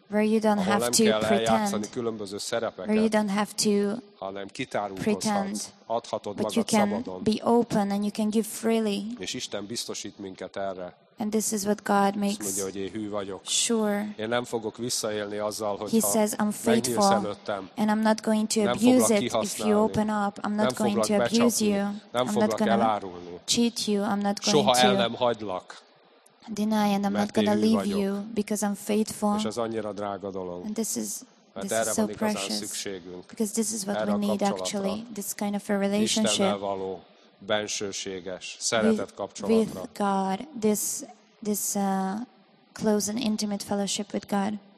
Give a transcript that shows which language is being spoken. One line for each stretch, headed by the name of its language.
English: Where you don't have to pretend.
Hungarian: Ahol nem kell eljátszani különböző szerepeket.
English: Where you don't have to
Hungarian: hanem kitárulkozhatsz. Adhatod magad szabadon.
English: Be open and you can give freely.
Hungarian: És Isten biztosít minket erre.
English: And this is what God makes.
Hungarian: Mondja, hogy én hű vagyok.
English: Sure.
Hungarian: Én nem fogok visszaélni azzal, hogy
English: he says I'm faithful and I'm not going to abuse it if you open up. I'm not going to abuse you.
Hungarian: Nem foglak elárulni.
English: Cheat you. I'm not going
Hungarian: soha
English: to
Hungarian: soha el nem hagylak.
English: Deny and I'm not going to leave you because I'm faithful.
Hungarian: És ez annyira drága dolog.
English: And this is so precious.
Hungarian: Szükségünk.
English: Because this is what we need actually. This kind of a relationship.
Hungarian: Istennel való bensőséges, szeretett kapcsolatra.
English: With God. This close and intimate fellowship with God.